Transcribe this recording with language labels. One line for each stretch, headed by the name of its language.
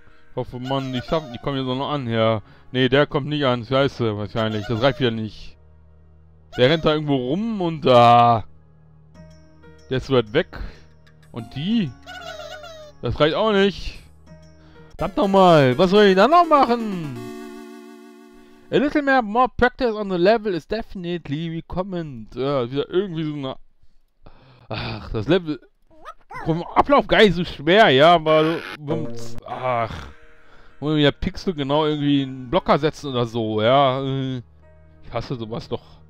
German: Ich hoffe, man, ich komme hier so noch an, ja. Nee, der kommt nicht an, scheiße, wahrscheinlich. Das reicht wieder nicht. Der rennt da irgendwo rum und da. Der ist weit weg. Und die? Das reicht auch nicht. Verdammt nochmal, was soll ich da noch machen?
English: A little more practice on the level is definitely recommended.
German: Ja, wieder irgendwie so eine. Ach, das Level. Vom Ablauf gar nicht so schwer, ja, aber. Ach. Wollen wir ja Pixel genau irgendwie einen Blocker setzen oder so, ja. Ich hasse sowas doch.